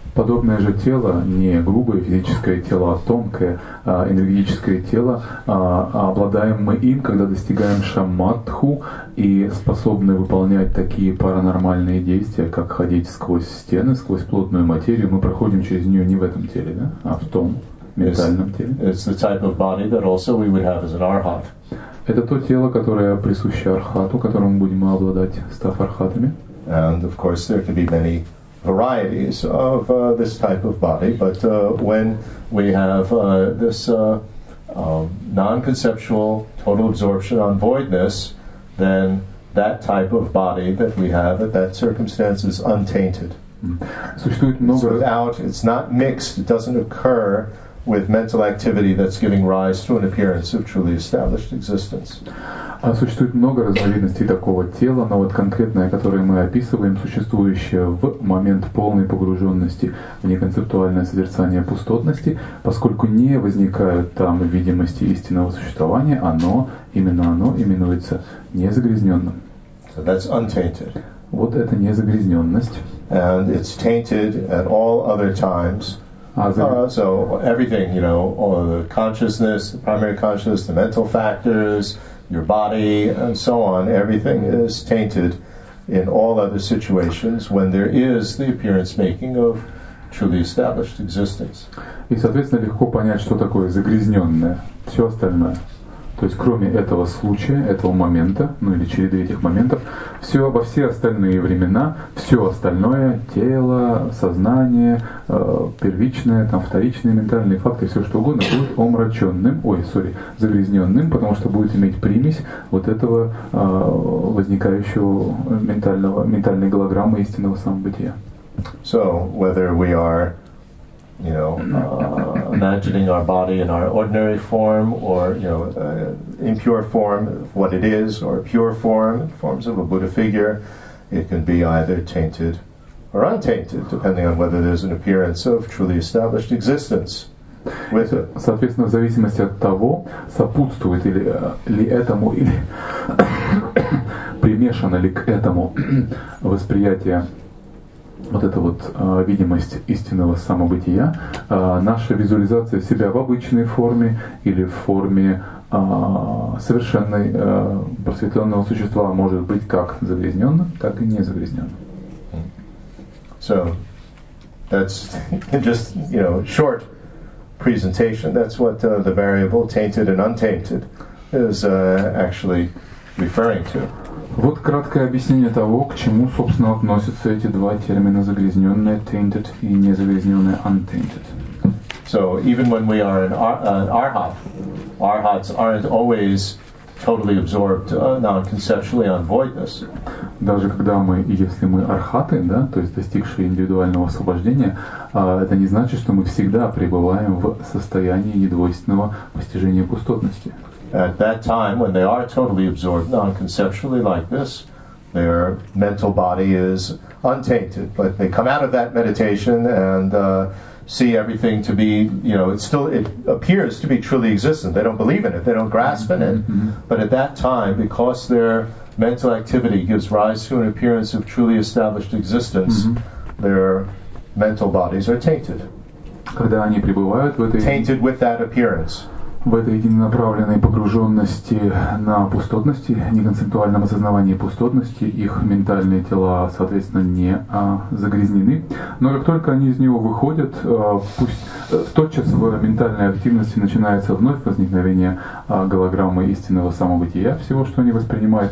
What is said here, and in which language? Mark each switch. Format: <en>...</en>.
<ru>Подобное же тело, не грубое физическое тело, а тонкое энергетическое тело, обладаем мы им, когда достигаем шамадху и способны выполнять такие паранормальные действия, как ходить сквозь стены, сквозь плотную материю. Мы проходим через нее не в этом теле, да, а в том ментальном теле.</ru> <en>It's the type of body that also we would have as an arhat.</en> <ru>Это то тело, которое присуще архату, которым мы будем обладать, став архатами.</ru> <en>And of course there could be many varieties of this type of body, but when we have this non-conceptual total absorption on voidness, then that type of body that we have at that circumstance is untainted. It's not mixed, it doesn't occur with mental activity that's giving rise to an appearance of truly established existence.</en> <ru>Существует много разновидностей такого тела, но вот конкретное, которое мы описываем, существующее в момент полной погруженности в неконцептуальное созерцание пустотности, поскольку не возникают там видимости истинного существования, оно именуется незагрязненным.</ru> <en>So that's untainted.</en> <ru>Вот это незагрязненность.</ru> <en>And it's tainted at all other times. So everything, you know, all the consciousness, the primary consciousness, the mental factors, your body and so on, everything is tainted in all other situations when there is the appearance making of truly established existence.</en> <ru>И, соответственно, легко понять, что такое загрязненное, все остальное. То есть, кроме этого случая, этого момента, ну или череды этих моментов, все во все остальные времена, все остальное, тело, сознание, первичное, там, вторичные ментальные факторы, все что угодно, будет омраченным, загрязненным, потому что будет иметь примесь вот этого возникающего ментальной голограммы истинного самобытия.</ru> <en>So, whether we are you know, imagining our body in our ordinary form, or you know, impure form, what it is, or pure form, forms of a Buddha figure. It can be either tainted or untainted, depending on whether there's an appearance of truly established existence. With it.</en> <ru>Соответственно, в зависимости от того, сопутствует ли, ли этому или примешано ли к этому восприятие вот эта вот видимость истинного самобытия, наша визуализация себя в обычной форме или в форме совершенной просветленного существа может быть как загрязненным, так и незагрязненным.</ru> <en>So that's just, you know, short presentation. That's what the variable tainted and untainted is actually referring to.</en> <ru>Вот краткое объяснение того, к чему, собственно, относятся эти два термина: загрязненное, tainted, и незагрязненное, untainted.</ru> <en>So even when we are an arhat, arhats aren't always totally absorbed non-conceptually on voidness.</en> <ru>Даже когда мы, если мы архаты, да, то есть достигшие индивидуального освобождения, это не значит, что мы всегда пребываем в состоянии недвойственного постижения пустотности.</ru> <en>At that time, when they are totally absorbed non-conceptually like this, their mental body is untainted. But they come out of that meditation and see everything to be, you know, it appears to be truly existent. They don't believe in it. They don't grasp in it. Mm-hmm. But at that time, because their mental activity gives rise to an appearance of truly established existence, mm-hmm. their mental bodies are tainted.</en> <ru>Когда они пребывают в этой...</ru> <en>Tainted with that appearance.</en> <ru>В этой единонаправленной погруженности на пустотности, неконцептуальном осознавании пустотности, их ментальные тела, соответственно, не загрязнены. Но как только они из него выходят, пусть тотчас в ментальной активности начинается вновь возникновение голограммы истинного самобытия, всего, что они воспринимают.</ru>